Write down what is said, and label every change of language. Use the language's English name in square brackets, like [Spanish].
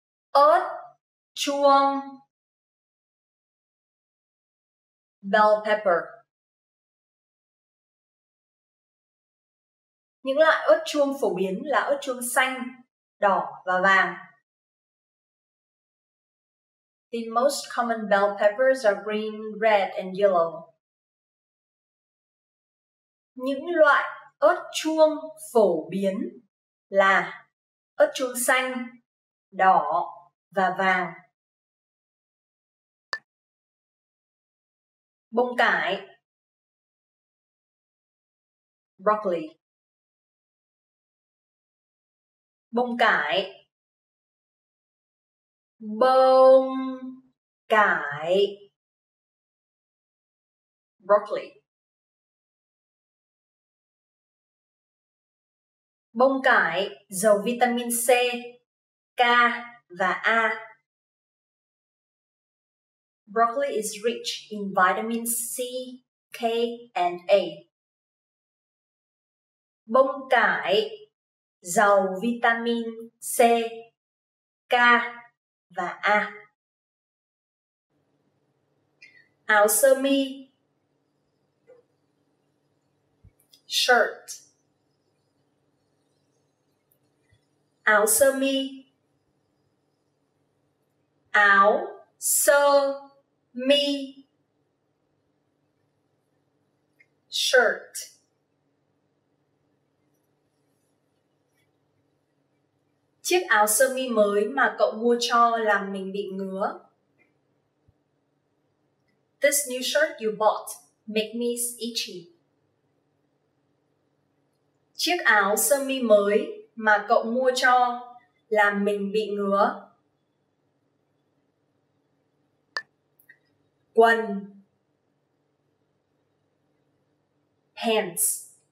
[Vietnamese] Ớt chuông. [English] Bell pepper. [Vietnamese] Những loại ớt chuông phổ biến là ớt chuông xanh, đỏ và vàng. [English] The most common bell peppers are green, red and yellow. [Vietnamese] Những loại ớt chuông phổ biến là ớt chuông xanh, đỏ và vàng. Bông cải. [English] Broccoli. [Vietnamese] Bông cải. Bông cải. [English] Broccoli. [Vietnamese] Bông cải giàu vitamin C, K và A. [English] Broccoli is rich in vitamin C, K and A. [Vietnamese] Bông cải giàu vitamin C, K và A. Áo sơ mi. [English] Shirt. [Vietnamese] Áo sơ mi. Áo sơ mi. [English] shirt. [Vietnamese] Chiếc áo sơ mi mới mà cậu mua cho làm mình bị ngứa. [English] This new shirt you bought makes me itchy. [Vietnamese] Chiếc áo sơ mi mới mà cậu mua cho làm mình bị ngứa. Quần. [English] Pants.